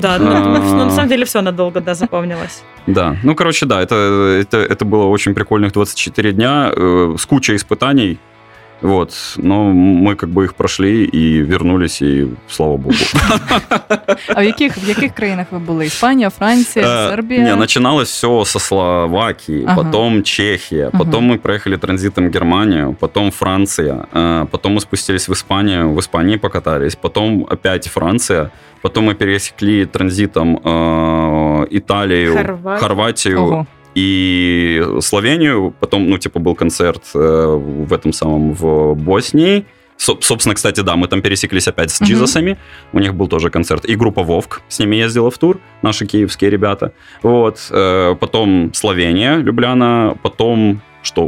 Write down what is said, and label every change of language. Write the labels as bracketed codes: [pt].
[ru] Да, ну, на самом деле все надолго, да, запомнилось. Да, ну, короче, да, это было очень прикольных 24 дня с кучей испытаний. Вот, но мы как бы их прошли и вернулись, и слава богу. [uk] А в яких країнах ви були? Іспанія, Франція, Сербія? Ні, починалось все со Словакії, потом Чехія, потом ми проїхали транзитом Германію, потом Франція, потом ми спустились в Іспанію, в Іспанії покатались, потом опять Франція, потом ми пересекли транзитом Італію, Хорватію. [ru] И Словению, потом, ну, типа, был концерт в этом самом, в Боснии. Собственно, кстати, да, мы там пересеклись опять с Джизосами, у них был тоже концерт. И группа Вовк с ними ездила в тур, наши киевские ребята. Вот, потом Словения, Любляна, потом что?